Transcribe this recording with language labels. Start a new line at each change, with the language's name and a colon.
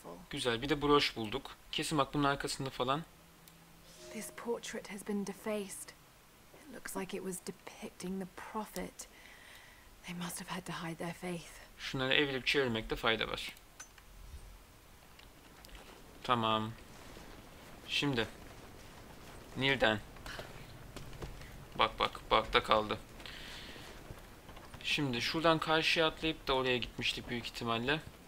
Turkish: Güzel, bir de broş bulduk. Kesin bak bunun arkasında falan.
English: This portrait has been defaced. It looks like it was depicting the prophet. They must have had to hide their faith.
Turkish: Şunları evirip çevirmekte fayda var. Tamam. Şimdi Nil'den bak da kaldı. Şimdi şuradan karşıya atlayıp da oraya gitmiştik büyük ihtimalle.